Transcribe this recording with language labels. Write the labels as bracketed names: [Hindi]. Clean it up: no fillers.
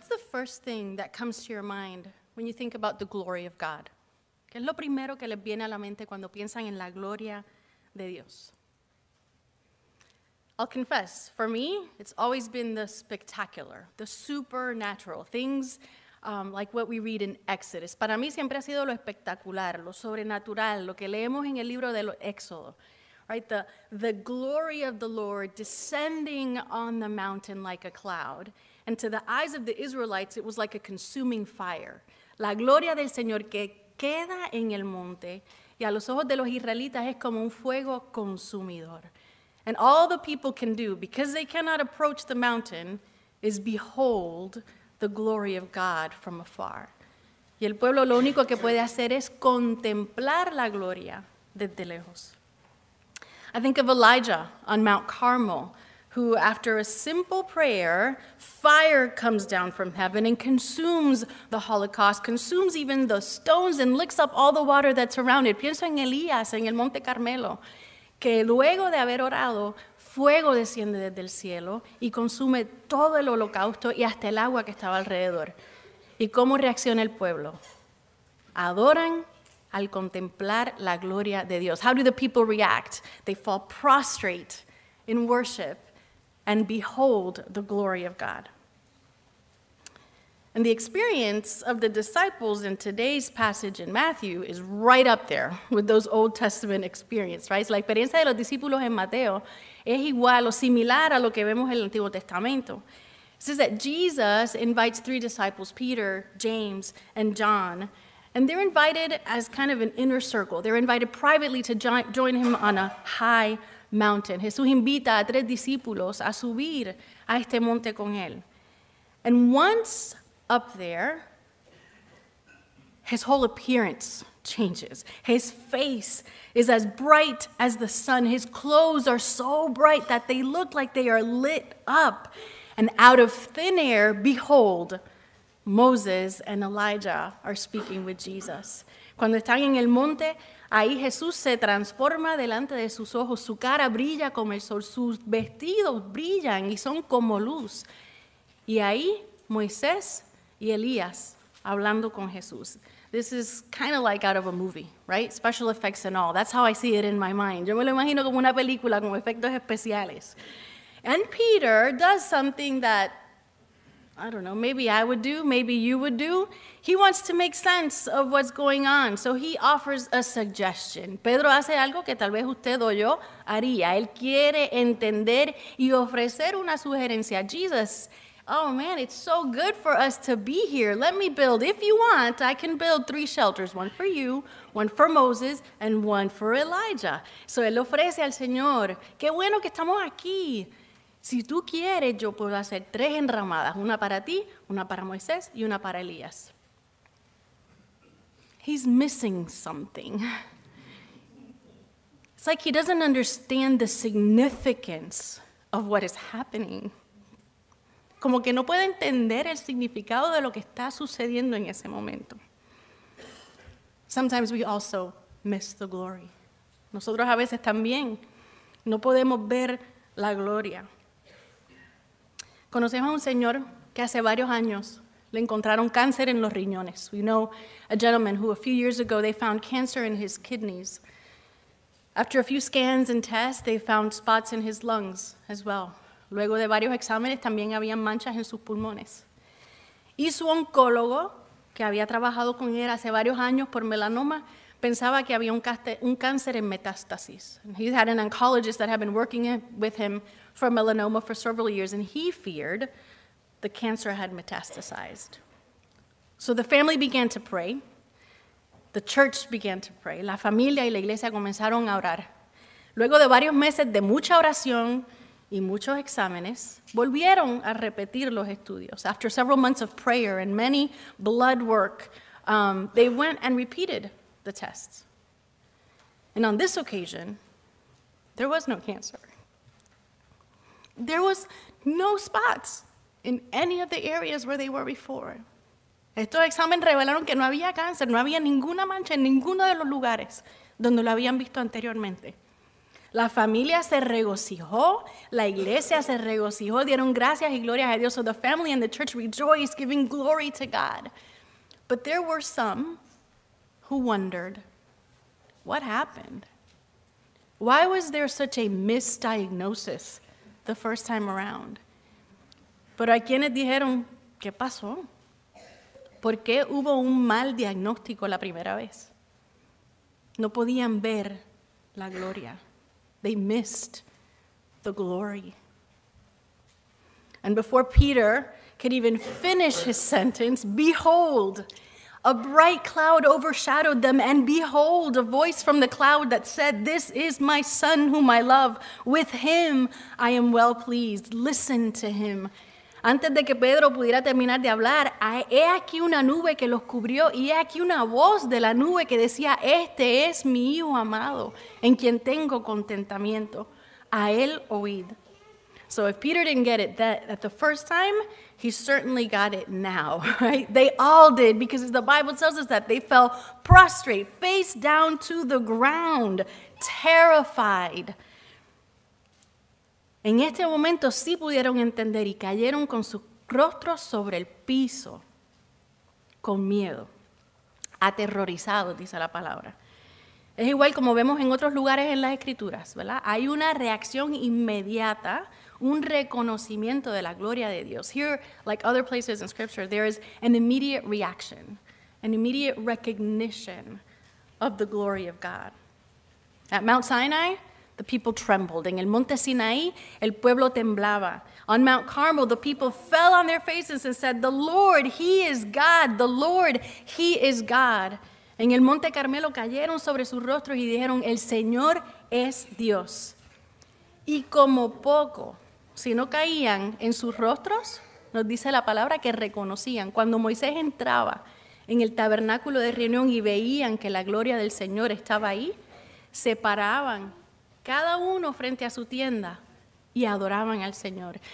[English] first thing that comes to your mind when you think about the glory of God? [Spanish] ¿Qué es lo primero que les viene a la mente cuando piensan en la gloria de Dios? [English] I'll confess, for me, it's always been the spectacular, the supernatural, things like what we read in Exodus. [Spanish] Para mí siempre ha sido lo espectacular, lo sobrenatural, lo que leemos en el libro del Éxodo. [English] Right, the glory of the Lord descending on the mountain like a cloud. And to the eyes of the Israelites, it was like a consuming fire. [Spanish] La gloria del Señor que queda en el monte, y a los ojos de los israelitas es como un fuego consumidor. [English] And all the people can do, because they cannot approach the mountain, is behold the glory of God from afar. [Spanish] Y el pueblo lo único que puede hacer es contemplar la gloria desde lejos. [English] I think of Elijah on Mount Carmel, who after a simple prayer, fire comes down from heaven and consumes the holocaust, consumes even the stones and licks up all the water that's around it. [Spanish] Pienso en Elías en el Monte Carmelo, que luego de haber orado, fuego desciende desde el cielo y consume todo el holocausto y hasta el agua que estaba alrededor. ¿Y cómo reacciona el pueblo? Adoran al contemplar la gloria de Dios. [English] How do the people react? They fall prostrate in worship and behold the glory of God. And the experience of the disciples in today's passage in Matthew is right up there with those Old Testament experiences, right? [Spanish] La experiencia de los discípulos en Mateo es igual o similar a lo que vemos en el Antiguo Testamento. [English] It says that Jesus invites three disciples, Peter, James, and John, and they're invited as kind of an inner circle. They're invited privately to join him on a high mountain. [Spanish] Jesús invita a tres discípulos a subir a este monte con él. [English] And once up there, his whole appearance changes. His face is as bright as the sun. His clothes are so bright that they look like they are lit up. And out of thin air, behold, Moses and Elijah are speaking with Jesus. [Spanish] Cuando están en el monte, ahí Jesús se transforma delante de sus ojos. Su cara brilla como el sol. Sus vestidos brillan y son como luz. Y ahí Moisés y Elías hablando con Jesús. [English] This is kind of like out of a movie, right? Special effects and all. That's how I see it in my mind. [Spanish] Yo me lo imagino como una película con efectos especiales. [English] And Peter does something that I don't know, maybe I would do, maybe you would do. He wants to make sense of what's going on, so he offers a suggestion. [Spanish] Pedro hace algo que tal vez usted o yo haría. Él quiere entender y ofrecer una sugerencia. [English] Jesus, oh man, it's so good for us to be here. Let me build, if you want, I can build three shelters, one for you, one for Moses, and one for Elijah. [Spanish] So él ofrece al Señor, qué bueno que estamos aquí. Si tú quieres, yo puedo hacer tres enramadas, una para ti, una para Moisés y una para Elías. [English] He's missing something. It's like he doesn't understand the significance of what is happening. [Spanish] Como que no puede entender el significado de lo que está sucediendo en ese momento. [English] Sometimes we also miss the glory. [Spanish] Nosotros a veces también no podemos ver la gloria. Conocemos a un señor que hace varios años le encontraron cáncer en los riñones. [English] We know a gentleman who a few years ago they found cancer in his kidneys. After a few scans and tests, they found spots in his lungs as well. [Spanish] Luego de varios exámenes también había manchas en sus pulmones. Y su oncólogo, que había trabajado con él hace varios años por melanoma, pensaba que había un cáncer en metástasis. [English] He had an oncologist that had been working with him from melanoma for several years, and he feared the cancer had metastasized. So the family began to pray. The church began to pray. [Spanish] La familia y la iglesia comenzaron a orar. Luego de varios meses de mucha oración y muchos exámenes, volvieron a repetir los estudios. [English] After several months of prayer and many blood work, they went and repeated the tests. And on this occasion, there was no cancer. There was no spots in any of the areas where they were before. [Spanish] Estos exámenes revelaron que no había cáncer, no había ninguna mancha en ninguno de los lugares donde lo habían visto anteriormente. La familia se regocijó, la iglesia se regocijó, dieron gracias y gloria a Dios. [English] So the family and the church rejoiced, giving glory to God. But there were some who wondered, what happened? Why was there such a misdiagnosis the first time around? [Spanish] Pero hay quienes dijeron, ¿qué pasó? ¿Por qué hubo un mal diagnóstico la primera vez? No podían ver la gloria. [English] They missed the glory. And before Peter could even finish his sentence, behold, a bright cloud overshadowed them, and behold, a voice from the cloud that said, "This is my son whom I love. With him I am well pleased. Listen to him." [Spanish] Antes de que Pedro pudiera terminar de hablar, he aquí una nube que los cubrió, y he aquí una voz de la nube que decía, "Este es mi hijo amado, en quien tengo contentamiento. A él oíd." [English] So if Peter didn't get it at the first time, he certainly got it now, right? They all did, because the Bible tells us that they fell prostrate, face down to the ground, terrified. [Spanish] En este momento sí pudieron entender y cayeron con sus rostros sobre el piso, con miedo, aterrorizados, dice la palabra. Es igual como vemos en otros lugares en las Escrituras, ¿verdad? Hay una reacción inmediata, un reconocimiento de la gloria de Dios. [English] Here, like other places in Scripture, there is an immediate reaction, an immediate recognition of the glory of God. At Mount Sinai, the people trembled. [Spanish] En el Monte Sinaí, el pueblo temblaba. [English] On Mount Carmel, the people fell on their faces and said, "The Lord, He is God. The Lord, He is God." [Spanish] En el Monte Carmelo cayeron sobre sus rostros y dijeron, "El Señor es Dios." Y como poco, si no caían en sus rostros, nos dice la palabra que reconocían. Cuando Moisés entraba en el tabernáculo de reunión y veían que la gloria del Señor estaba ahí, se paraban cada uno frente a su tienda y adoraban al Señor.